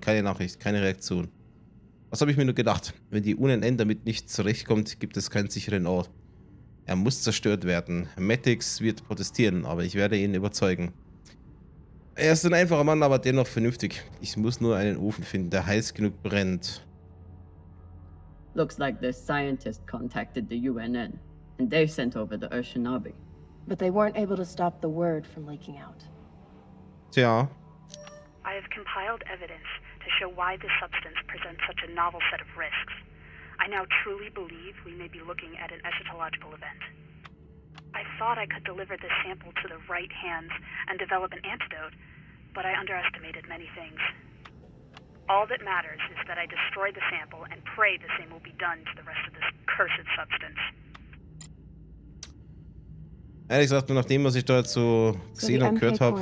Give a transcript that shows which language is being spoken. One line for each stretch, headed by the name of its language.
German: Keine Nachricht, keine Reaktion. Was habe ich mir nur gedacht? Wenn die UNL damit nicht zurechtkommt, gibt es keinen sicheren Ort. Er muss zerstört werden. Maddox wird protestieren, aber ich werde ihn überzeugen. Er ist ein einfacher Mann, aber dennoch vernünftig. Ich muss nur einen Ofen finden, der heiß genug brennt.
English: Looks like the scientist contacted the UNN, and they sent over the Urshanabi. But they weren't able to stop the word from leaking out. Tja. I have compiled evidence to show why this substance presents such a novel set of risks. I now truly believe we may be looking at an eschatological event. I thought I could deliver this sample to the right hands and develop an antidote, but I underestimated many things. All that matters is that I destroy the sample and pray the same will be done to the rest of this cursed substance.
German: Ehrlich gesagt, nur nachdem, was ich da jetzt so gesehen und gehört habe.